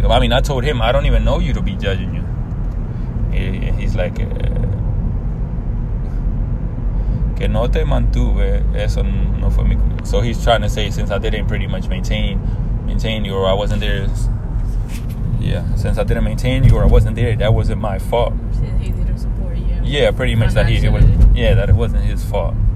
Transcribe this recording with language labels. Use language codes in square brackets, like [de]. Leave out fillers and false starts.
[en] I mean, I told him, I don't even know you to be judging you. He's like, [es] que no te mantuve, eso no fue mi. [en] So he's trying to say, since I didn't pretty much maintain you, or I wasn't there. Yeah, since I didn't maintain you or I wasn't there, that wasn't my fault. Since he didn't support you. Yeah, pretty much that he, it was, yeah, that it wasn't his fault.